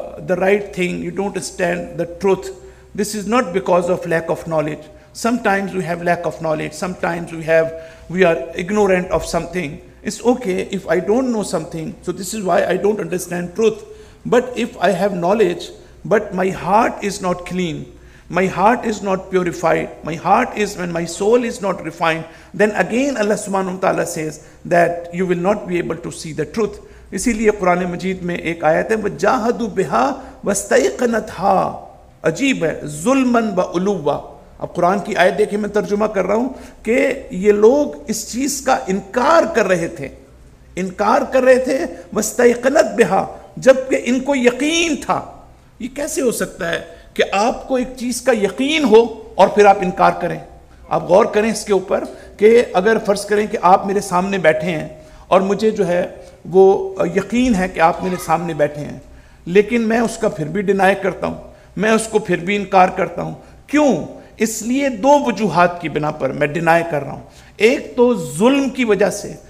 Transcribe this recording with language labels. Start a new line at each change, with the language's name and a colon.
English: the right thing you don't understand the truth this is not because of lack of knowledge sometimes we have lack of knowledge sometimes we are ignorant of something it's okay if I don't know something so this is why I don't understand truth but if I have knowledge but my heart is not clean My heart is not purified. My heart is when my soul is not refined. Then again Allah subhanahu wa ta'ala says that you will not be able to see the truth.
Urdu: اسی لئے قرآن مجید میں ایک آیت ہے
Arabic: وَجَاهَدُ بِهَا وَاسْتَيْقَنَتْهَا
Urdu: عجیب ہے
Arabic: ظُلْمًا وَعُلُوَّا
Urdu: اب قرآن کی آیت دیکھیں میں ترجمہ کر رہا ہوں کہ یہ لوگ اس چیز کا انکار کر رہے تھے انکار کر رہے تھے
Arabic: وَاسْتَيْقَنَتْ بِهَا
Urdu: جبکہ ان کو یقین تھا یہ کیسے ہو سکتا ہے کہ آپ کو ایک چیز کا یقین ہو اور پھر آپ انکار کریں آپ غور کریں اس کے اوپر کہ اگر فرض کریں کہ آپ میرے سامنے بیٹھے ہیں اور مجھے جو ہے وہ یقین ہے کہ آپ میرے سامنے بیٹھے ہیں لیکن میں اس کا پھر بھی ڈینائی کرتا ہوں میں اس کو پھر بھی انکار کرتا ہوں کیوں اس لیے دو وجوہات کی بنا پر میں ڈینائی کر رہا ہوں ایک تو ظلم کی وجہ سے